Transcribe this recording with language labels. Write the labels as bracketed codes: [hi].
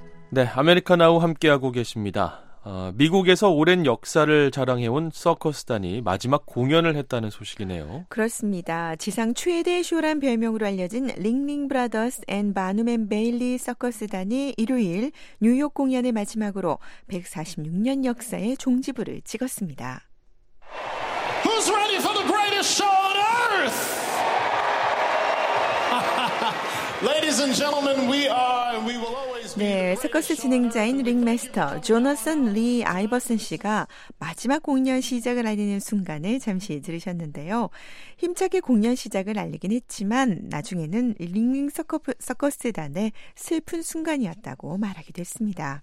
[ko] 네, 아메리카 나우 함께하고 계십니다. 미국에서 오랜 역사를 자랑해온 서커스단이 마지막 공연을 했다는 소식이네요. 그렇습니다. 지상 최대의 쇼란 별명으로 알려진 링링 브라더스 앤 바눔 앤 베일리 서커스단이 일요일 뉴욕 공연을 마지막으로 146년 역사의 종지부를 찍었습니다. [en] Who's ready for the greatest show on earth? Ladies and gentlemen, we are and we will. [ko] 네, 서커스 진행자인 링메스터 조너슨 리 아이버슨 씨가 마지막 공연 시작을 알리는 순간을 잠시 들으셨는데요. 힘차게 공연 시작을 알리긴 했지만 나중에는 링링 서커스단의 슬픈 순간이었다고 말하기도 했습니다.